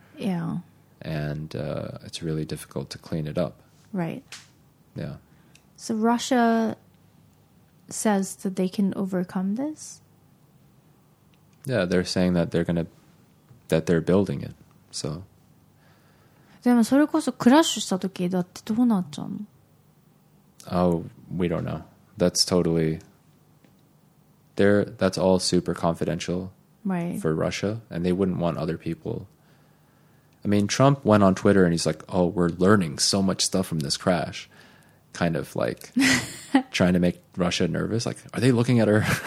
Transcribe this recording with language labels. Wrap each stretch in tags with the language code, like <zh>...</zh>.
<en>Yeah. And it's really difficult to clean it up. Right. Yeah. So Russia says that they can overcome this? Yeah, they're saying that they're going to, that they're building it. So.</en> <ja>でもそれこそクラッシュした時だってどうなっちゃうの?</ja> <en>Oh, we don't know. That's totally, they're, that's all super confidential for Russia, and they wouldn't want other people. I mean, Trump went on Twitter and he's like, oh, we're learning so much stuff from this crash. Kind of like trying to make Russia nervous. Like, are they looking at her?</en>